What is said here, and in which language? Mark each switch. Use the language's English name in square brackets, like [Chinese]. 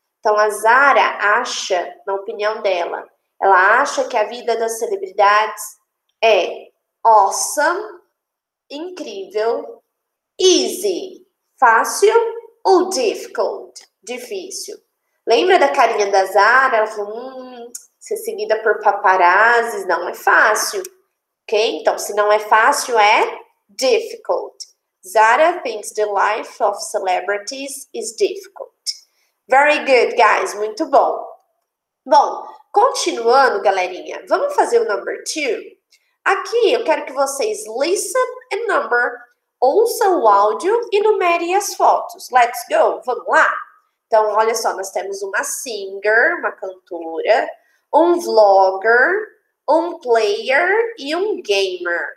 [Portuguese] Então, a Zara acha, na opinião dela, ela acha que a vida das celebridades é awesome, incrível, easy, fácil ou difficult, difícil. Lembra da carinha da Zara? Ela falou, ser seguida por paparazzis não é fácil, ok? Então, se não é fácil, é difficult. [English] Zara thinks the life of celebrities is difficult. Very good, guys. [Portuguese] Muito bom. Bom, continuando, galerinha, vamos fazer o [English] number two? [Portuguese] Aqui eu quero que vocês [English] listen and number, [Portuguese] ouça o áudio e numere as fotos. [English] Let's go, [Portuguese] vamos lá? Então, olha só, nós temos uma singer, uma cantora, um vlogger, um player e um gamer.